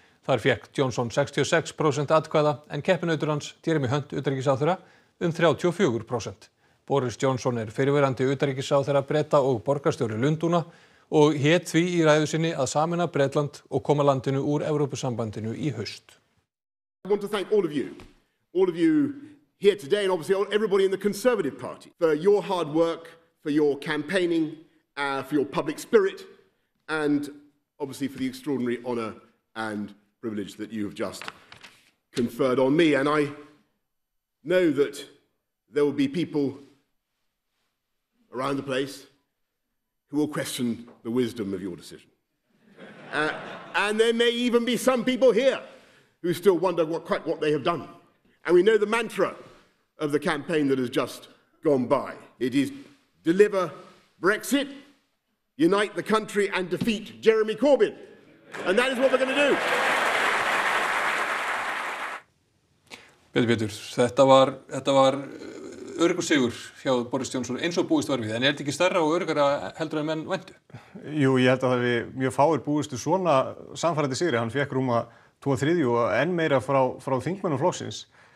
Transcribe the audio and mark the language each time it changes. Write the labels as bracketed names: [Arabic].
[Icelandic] Þar fékk Johnson 66% atkvæða en keppinautur hans Jeremy Hunt utanríkisráðherra 34%. Boris Johnson fyrirverandi utanríkisráðherra Breta og borgarstjóri Lundúna og hét því í ræðu sinni að sameina Bretland og koma landinu úr Evrópusambandinu í haust. [English] I want to thank all of you here today and obviously everybody in the Conservative Party for your hard work, for your campaigning, for your public spirit and obviously for the extraordinary honor and privilege that you have just conferred on me. And I know that there will be people around the place, who will question the wisdom of your decision. And there may even be some people here who still wonder quite what they have done. And we know the mantra of the campaign that has just gone by. It is deliver Brexit, unite the country and defeat Jeremy Corbyn. And that is what we're going to do. [Icelandic] Bitur, þetta var öruggur sigur hjá Boris Johnson eins og búist var við, en er þetta ekki stærra og öruggara heldur en menn væntu? Jú, ég held að það við mjög fáir búistu svona samfærandi sigri, hann fekk rúma 2/3 og enn meira frá þingmennum flokksins.